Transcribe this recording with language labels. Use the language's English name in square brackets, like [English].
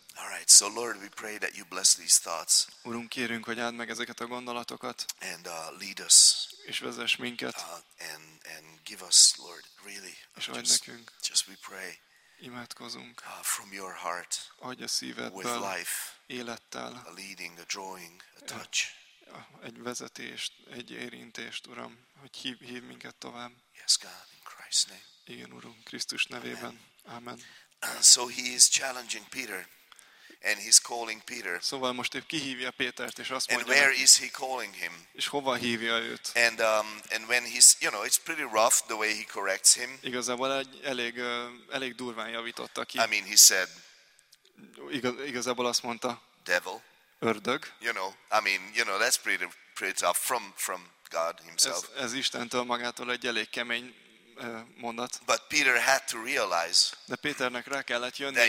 [English] All right, so Lord, we pray that you bless these thoughts. [Hungarian] Urunk, kérünk, hogy áld meg ezeket a gondolatokat. [English] And lead us. [Hungarian] És vezess minket. [English] And give us, Lord, really. [Hungarian] És adj nekünk. [English] Just we pray. [Hungarian] Imádkozunk. [English] From your heart. [Hungarian] Adj a szívedből. [English] With life. [Hungarian] Élettel. [English] A leading, a drawing, a touch. [Hungarian] Egy vezetést, egy érintést, Uram, hogy hív minket tovább. [English] Yes, God, in Christ's name. [Hungarian] Igen, Urunk, Krisztus nevében. [English] Amen. And so he is challenging Peter. And he's calling Peter. [Hungarian] Szóval most épp kihívja Pétert, és azt mondja. [English] And where is he calling him? [Hungarian] És hova hívja őt? [English] And when he's, you know, it's pretty rough the way he corrects him. [Hungarian] Igazából elég durván javította ki. [English] I mean, he said. [Hungarian] Igazából azt mondta. [English] Devil. [Hungarian] Ördög. [English] You know, I mean, you know, that's pretty tough from God himself. [Hungarian] Ez Istentől magától egy elég kemény mondat. [English] But Peter had to realize, [Hungarian] de Péternek rá kellett jönnie,